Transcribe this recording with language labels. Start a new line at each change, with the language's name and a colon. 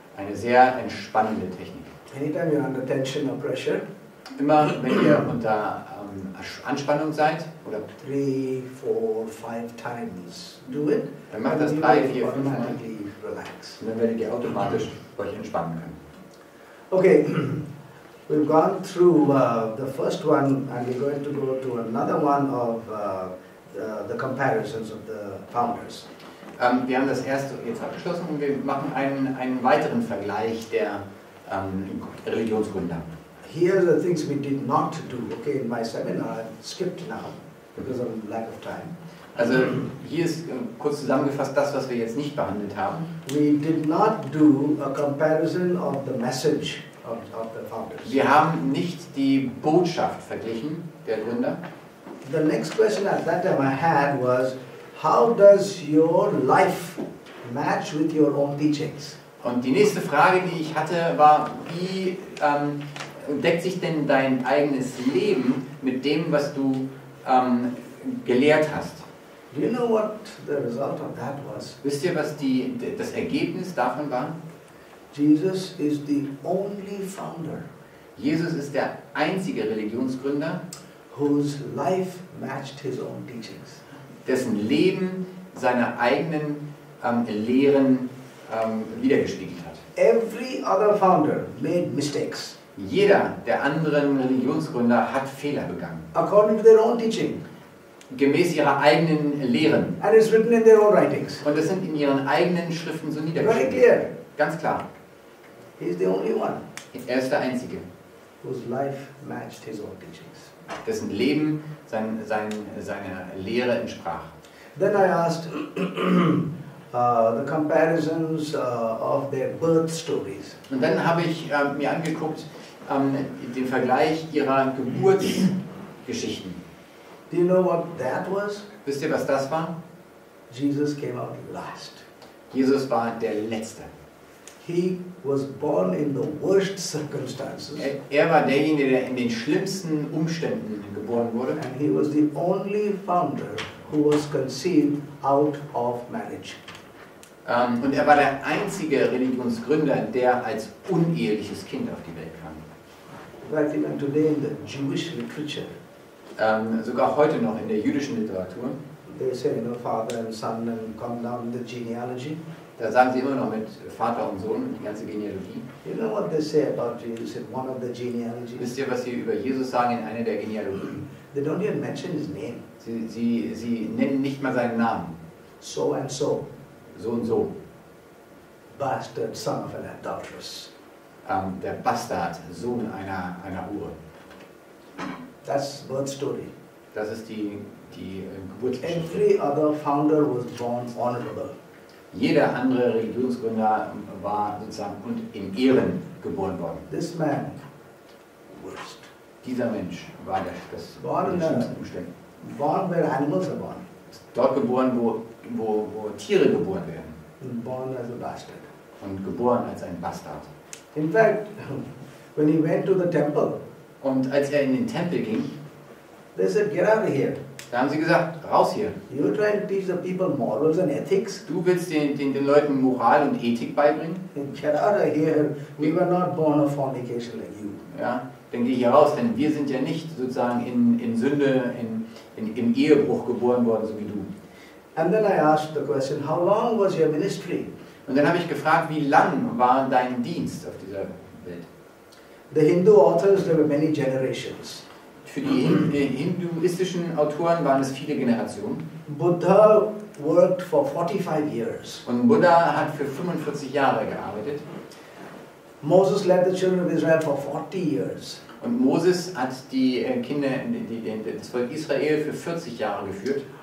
German: Eine sehr entspannende Technik.
English: Anytime you're under tension or pressure.
German: Immer wenn ihr unter Anspannung seid oder
English: 3-4-5 times do it,
German: dann macht das 3-4-5 und dann werdet ihr automatisch euch entspannen können.
English: Okay, we've gone through the first one and we're going to go to another one of the comparisons of the founders.
German: Wir haben das erste jetzt abgeschlossen und wir machen einen weiteren Vergleich der Religionsgründer.
English: here are the things we did not do. Okay, in my seminar, I've skipped now because of lack of time.
German: Also hier ist kurz zusammengefasst das, was wir jetzt nicht behandelt haben.
English: We did not do a comparison of the message of the founders.
German: Wir haben nicht die Botschaft verglichen der Gründer.
English: The next question at that time I had was, how does your life match with your own teachings?
German: Und die nächste Frage, die ich hatte, war, wie deckt sich denn dein eigenes Leben mit dem, was du gelehrt hast?
English: Do you know what the result of that was?
German: Wisst ihr, was das Ergebnis davon war?
English: Jesus is the only founder.
German: Jesus ist der einzige Religionsgründer,
English: whose life matched his own teachings.
German: Dessen Leben seine eigenen Lehren wiedergespiegelt hat.
English: Every other founder made mistakes.
German: Jeder der anderen Religionsgründer hat Fehler begangen.
English: According to their own teaching.
German: Gemäß ihrer eigenen Lehren.
English: And it's written in their own writings.
German: Und es sind in ihren eigenen Schriften so niedergeschrieben. Ganz klar.
English: He is the only one.
German: Er ist der Einzige.
English: Whose life matched his own teachings.
German: Dessen Leben seiner Lehre entsprach.
English: Then I asked the comparisons of their birth stories.
German: Und dann habe ich mir angeguckt den Vergleich ihrer Geburtsgeschichten.
English: Do you know what that was?
German: Wisst ihr, was das war?
English: Jesus came out last.
German: Jesus war der Letzte.
English: He was born in the worst circumstances.
German: Er war derjenige, der in den schlimmsten Umständen geboren wurde.
English: And he was the only founder who was conceived out of marriage.
German: Und er war der einzige Religionsgründer, der als uneheliches Kind auf die Welt kam.
English: Right, even today in the Jewish literature.
German: Sogar heute noch in der jüdischen Literatur.
English: They say, you know, father and son and come down the genealogy.
German: Da sagen sie immer noch mit Vater und Sohn die ganze Genealogie.
English: You know what they say about Jesus in one of the genealogies?
German: Wisst ihr, was sie über Jesus sagen in einer der Genealogien?
English: They don't even mention his name.
German: Sie nennen nicht mal seinen Namen.
English: So and so.
German: So und so.
English: Bastard, son of an adulteress.
German: Der Bastard, Sohn einer Hure.
English: That's birth story.
German: Das ist die Geburtsgeschichte.
English: Every other founder was born honorable.
German: Jeder andere Religionsgründer war sozusagen in Ehren geboren worden.
English: This man, worst.
German: Dieser Mensch war das
English: born
German: in schlimmsten Umständen.
English: Born where animals are born.
German: Dort geboren, wo Tiere geboren werden.
English: And born as a bastard.
German: Und geboren als ein Bastard.
English: In fact, when he went to the temple.
German: Und als er in den Tempel ging,
English: they said, get out of here.
German: Da haben sie gesagt, raus hier.
English: You try to teach the people morals and ethics.
German: Du willst den Leuten Moral und Ethik beibringen?
English: Get out of here. We were not born of fornication like you.
German: Ja, dann geh hier raus, denn wir sind ja nicht sozusagen in Sünde, im Ehebruch geboren worden, so wie du.
English: And then I asked the question, how long was your ministry?
German: Und dann habe ich gefragt, wie lang war dein Dienst auf dieser Welt?
English: The Hindu authors, there were many generations.
German: Für die hinduistischen Autoren waren es viele Generationen.
English: Buddha worked for 45 years.
German: Und Buddha hat für 45 Jahre gearbeitet.
English: Moses led the children of Israel for 40 years.
German: Und Moses hat die Kinder, das Volk Israel für 40 Jahre geführt.